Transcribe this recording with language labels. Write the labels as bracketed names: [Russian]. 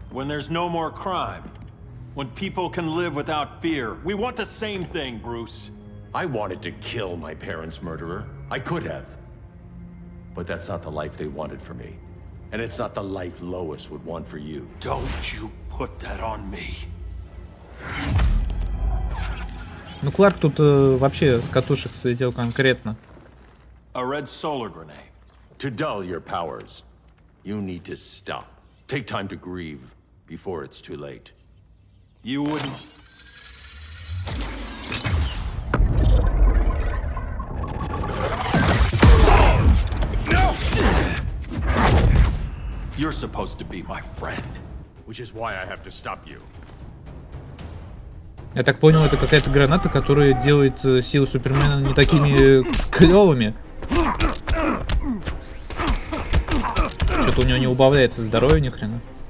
[English] When there's no more crime. When people can live without fear. We want the same thing, Bruce. I wanted to kill my parents' murderer. I could have. But that's not the life they wanted for me. And it's not the life Lois would want for you. Don't you put that on me. [Russian] Ну, Кларк тут вообще с катушек слетел конкретно. [English] A red solar grenade. To dull your powers. You need to stop. Take time to grieve before it's too late. You wouldn't... You're supposed to be my friend, which is why I have to stop you. [Russian] Я так понял, это какая-то граната, которая делает силы Супермена не такими клёвыми. Что-то у него не убавляется здоровье ни хрена.